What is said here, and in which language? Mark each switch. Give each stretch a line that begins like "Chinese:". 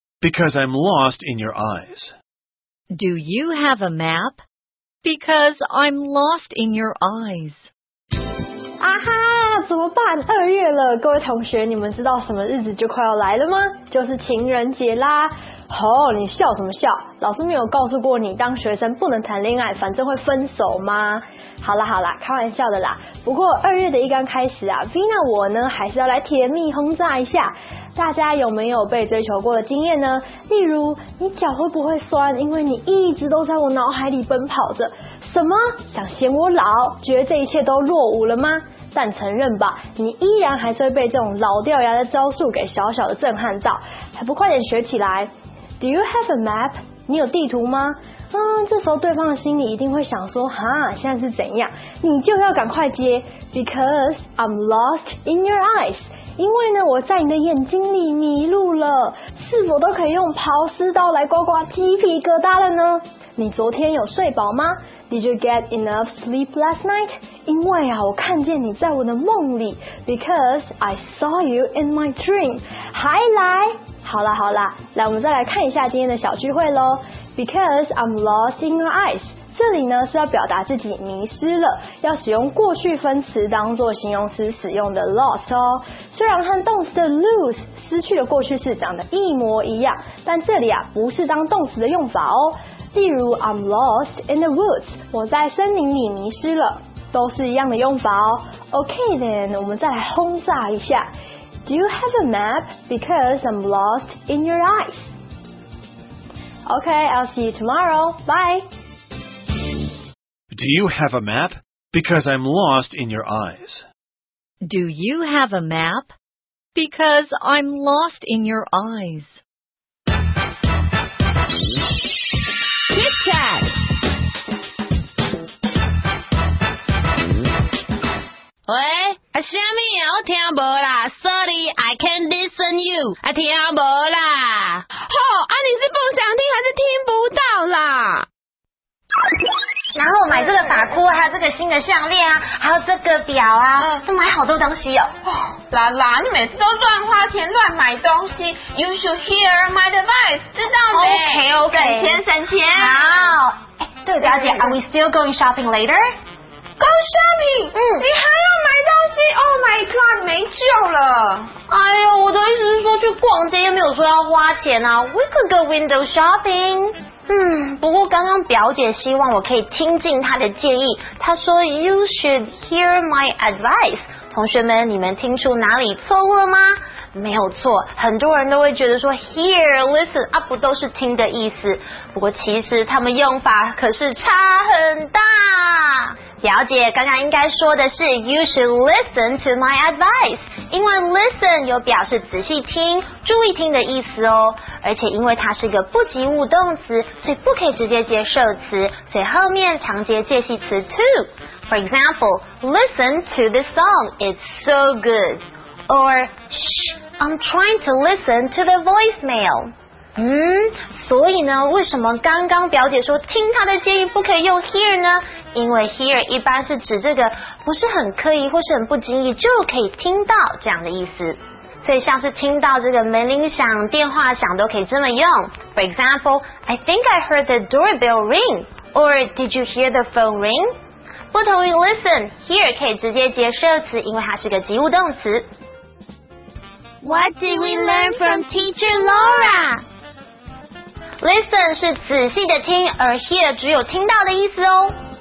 English: Because I'm lost in your eyes. Do you have a map? Because I'm lost in your eyes. I have.
Chinese: 怎么办？二月了，各位同学，你们知道什么日子就快要来了吗？就是情人节啦。哦，你笑什么笑？老师没有告诉过你当学生不能谈恋爱，反正会分手吗？好啦好啦，开玩笑的啦。不过二月的一刚开始啊， Vina 我呢还是要来甜蜜轰炸一下。大家有没有被追求过的经验呢？例如你脚会不会酸，因为你一直都在我脑海里奔跑着。什么？想嫌我老，觉得这一切都落伍了吗？但承认吧，你依然还是会被这种老掉牙的招数给小小的震撼到，还不快点学起来。
English: Do you have a map?
Chinese: 你有地图吗？这时候对方的心里一定会想说，哈，现在是怎样？你就要赶快接，
English: Because I'm lost in your eyes，
Chinese: 因为呢，我在你的眼睛里迷路了，是否都可以用刨丝刀来刮刮鸡皮疙瘩了呢？你昨天有睡饱吗？
English: Did you get enough sleep last night?
Chinese: 因为啊，我看见你在我的梦里，
English: Because I saw you in my dream.
Chinese: 还来？好啦好啦，来我们再来看一下今天的小聚会咯。
English: Because I'm lost in your eyes，
Chinese: 这里呢是要表达自己迷失了，要使用过去分词当作形容词使用的 lost 哦。虽然和动词的 lose 失去的过去式长得一模一样，但这里啊不是当动词的用法哦。例如
English: I'm lost in the woods，
Chinese: 我在森林里迷失了，都是一样的用法哦。 OK then， 我们再来轰炸一下。
English: Do you have a map? Because I'm lost in your eyes. OK， I'll see you tomorrow. Bye。 Do you have a map? Because I'm lost in your eyes. Do you have a map? Because I'm lost in your eyes. Chit chat. Hey, Sammy, I can't hear you. Sorry, I can't listen you. I can't hear you.
Chinese: Oh, 你是不想听还是听不到啦？然后我买这个发箍，还有这个新的项链啊，还有这个表啊，都买好多东西哦。啦啦，你每次都乱花钱乱买东西。
English: You should hear my advice，
Chinese: 知道没
English: ？OK OK，
Chinese: 省钱省钱。好，对，表姐
English: ，Are we still going shopping later？ Go shopping？
Chinese: 你还要买东西 ？
English: Oh my god，
Chinese: 没救了。哎呦，我的意思是说去逛街，又没有说要花钱啊。
English: We could go window shopping。
Chinese: 不过刚刚表姐希望我可以听进她的建议，她说
English: You should hear my advice。
Chinese: 同学们，你们听出哪里错误了吗？没有错，很多人都会觉得说 hear listen 啊，不都是听的意思？不过其实他们用法可是差很大。表姐刚刚应该说的是
English: You should listen to my advice，
Chinese: 因为 listen 有表示仔细听、注意听的意思哦。而且因为它是一个不及物动词，所以不可以直接接受词，所以后面常接介系词 to。
English: For example， listen to this song， it's so good。 Or shh， I'm trying to listen to the voicemail。
Chinese: 所以呢，为什么刚刚表姐说听她的建议不可以用 hear 呢？因为 hear 一般是指这个不是很刻意或是很不经意就可以听到这样的意思。所以像是听到这个门铃响、电话响都可以这么用。
English: For example, I think I heard the doorbell ring. Or did you hear the phone ring?
Chinese: 不同于 listen, hear 可以直接接受词，因为它是个及物动词。
English: What did we learn from Teacher Laura?
Chinese: Listen 是仔细的听，而 hear 只有听到的意思哦。